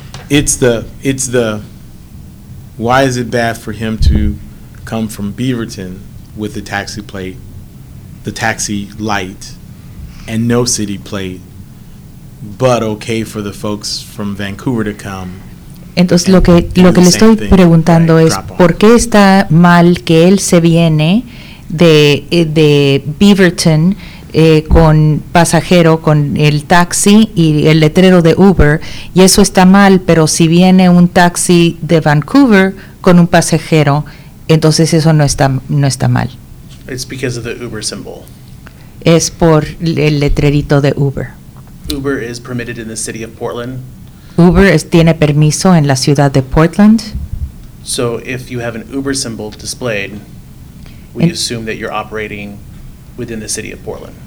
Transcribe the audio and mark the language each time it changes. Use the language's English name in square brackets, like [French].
[English] It's the, why is it bad for him to come from Beaverton with the taxi plate, the taxi light, and no city plate, but okay for the folks from Vancouver to come. [Spanish] Entonces, lo que le estoy preguntando es, ¿por qué está mal que él se viene de Beaverton con pasajero, con el taxi y el letrero de Uber, y eso está mal, pero si viene un taxi de Vancouver con un pasajero, entonces eso no está mal? [English] It's because of the Uber symbol. [Spanish] Es por el letrerito de Uber. [English] Uber is permitted in the city of Portland. [Spanish] Uber tiene permiso en la ciudad de Portland. [English] So if you have an Uber symbol displayed, we assume that you're operating within the city of Portland.